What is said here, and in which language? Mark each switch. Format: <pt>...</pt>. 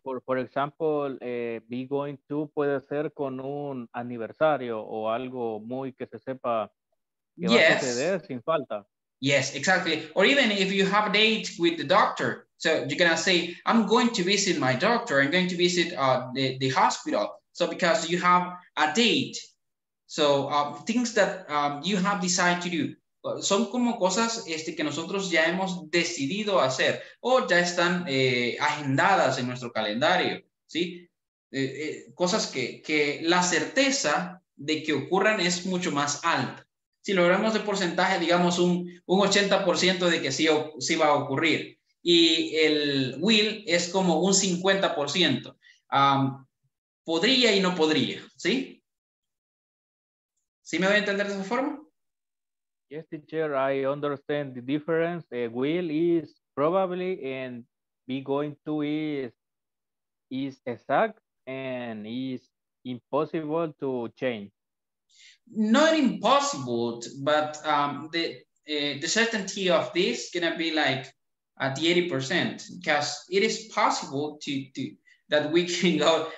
<en>For example,</en> <es>be going to puede ser con un aniversario o algo muy que se sepa que</es> <en>yes.</en> <es>Va a suceder sin falta.</es> <en>Yes, exactly. Or even if you have a date with the doctor, so you're going to say, I'm going to visit my doctor, I'm going to visit the hospital. So because you have a date, so things that you have decided to do,</en> <es>son como cosas que nosotros ya hemos decidido hacer o ya están agendadas en nuestro calendario, ¿sí? Cosas que la certeza de que ocurran es mucho más alta. Si logramos el porcentaje, digamos un 80% de que sí va a ocurrir, y el will es como un 50%. Podría y no podría, ¿sí? ¿Sí me voy a entender de esa forma?</es> <en>Yes, teacher, I understand the difference. Will is probably, and be going to is exact and is impossible to change. Not impossible, but the certainty of this gonna be like at the 80%, because it is possible to that we can go.</en>